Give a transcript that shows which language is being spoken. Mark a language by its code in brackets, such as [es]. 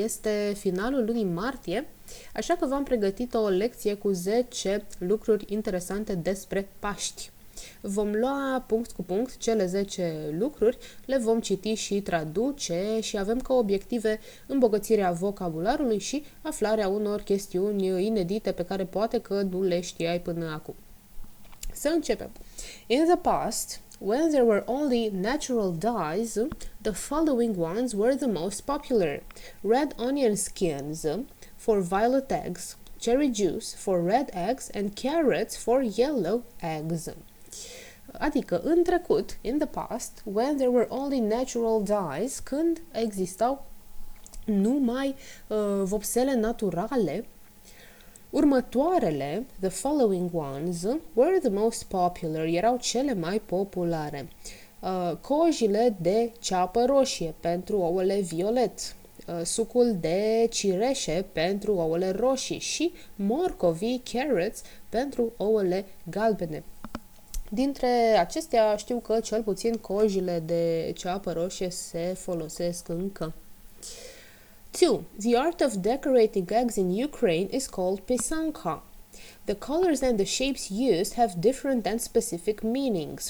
[ro] Este finalul lunii martie, așa că v-am pregătit o lecție cu 10 lucruri interesante despre Paști. Vom lua punct cu punct cele 10 lucruri, le vom citi și traduce și avem ca obiective îmbogățirea vocabularului și aflarea unor chestiuni inedite pe care poate că nu le știai până acum. Să începem! [en] In the past, when there were only natural dyes, the following ones were the most popular: red onion skins for violet eggs, cherry juice for red eggs, and carrots for yellow eggs. [ro] Adică, în trecut, in the past, when there were only natural dyes, când existau numai vopsele naturale, următoarele, the following ones, were the most popular, erau cele mai populare. Cojile de ceapă roșie pentru ouăle violet, sucul de cireșe pentru ouăle roșii și morcovii, carrots, pentru ouăle galbene. Dintre acestea, știu că cel puțin cojile de ceapă roșie se folosesc încă. 2. [en] The art of decorating eggs in Ukraine is called pisanka. The colors and the shapes used have different and specific meanings.